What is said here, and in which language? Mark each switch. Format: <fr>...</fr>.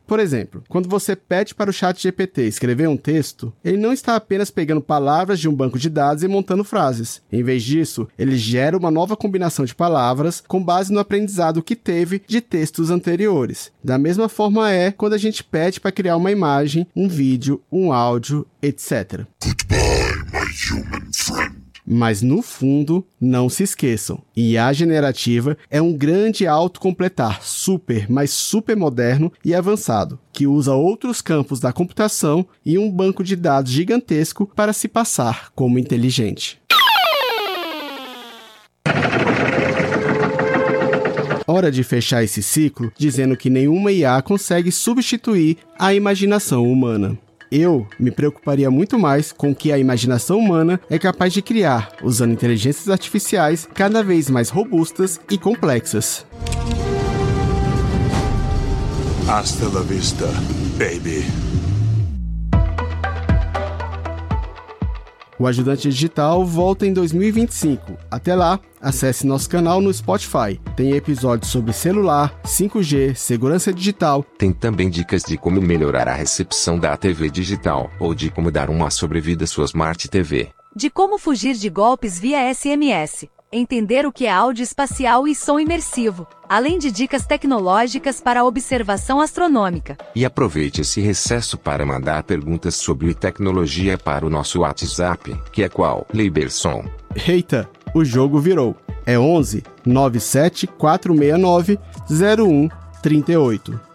<pt>Por exemplo, quando você pede para o ChatGPT escrever um texto, ele não está apenas pegando palavras de um banco de dados e montando frases. Em vez disso, ele gera uma nova combinação de palavras com base no aprendizado que teve de textos anteriores. Da mesma forma é quando a gente pede para criar uma imagem, um vídeo, um áudio, etc.</pt> <en>Goodbye, my human friend.</en> <pt>Mas, no fundo, não se esqueçam, IA generativa é um grande autocompletar super, mas super moderno e avançado, que usa outros campos da computação e um banco de dados gigantesco para se passar como inteligente. Hora de fechar esse ciclo dizendo que nenhuma IA consegue substituir a imaginação humana. Eu me preocuparia muito mais com o que a imaginação humana é capaz de criar, usando inteligências artificiais cada vez mais robustas e complexas.</pt> <es>Hasta la vista, baby.</es> <pt>O Ajudante Digital volta em 2025. Até lá, acesse nosso canal no Spotify. Tem episódios sobre celular, 5G, segurança digital. Tem também dicas de como melhorar a recepção da TV digital ou de como dar uma sobrevida à sua Smart TV. De como fugir de golpes via SMS. Entender o que é áudio espacial e som imersivo, além de dicas tecnológicas para observação astronômica. E aproveite esse recesso para mandar perguntas sobre tecnologia para o nosso WhatsApp, que é qual, Liberson? Eita, o jogo virou. É 11-97-469-0138.</pt>